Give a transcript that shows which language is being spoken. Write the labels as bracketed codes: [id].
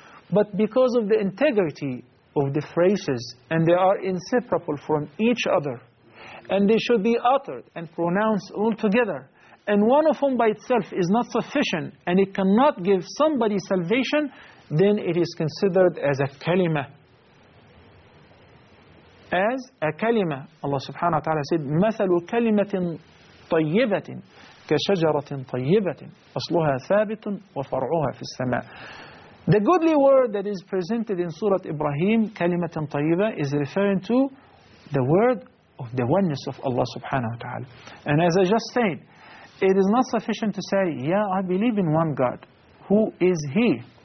[en] But because of the integrity of the phrases, and they are inseparable from each other, and they should be uttered and pronounced all together, and one of them by itself is not sufficient, and it cannot give somebody salvation, then it is considered as a kalima. As a kalima, Allah subhanahu wa ta'ala said, [ar] مَثَلُ كَلِمَةٍ طَيِّبَةٍ كَشَجَرَةٍ طَيِّبَةٍ أَصْلُهَا ثَابِتٌ وَفَرْعُهَا فِي السَّمَاءِ. [en] The goodly word that is presented in Surah Ibrahim, [ar] كَلِمَةٍ طَيِّبَةٍ, [en] is referring to the word of the oneness of Allah subhanahu wa ta'ala. And as I just said, it is not sufficient to say, yeah, I believe in one God. Who is He?